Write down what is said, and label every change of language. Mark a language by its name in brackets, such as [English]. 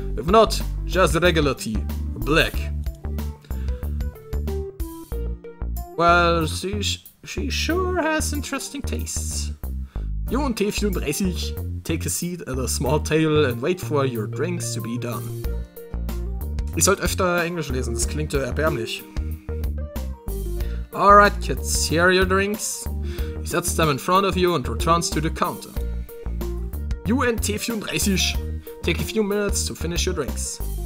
[English] If not, just regular tea. Black. Well, she sure has interesting tastes. Jungen Tee 34, take a seat at a small table and wait for your drinks to be done. [German] Ich sollte öfter Englisch lesen, das klingt erbärmlich. [English] Alright, kids, here are your drinks. He sets them in front of you and returns to the counter. You and T34, take a few minutes to finish your drinks.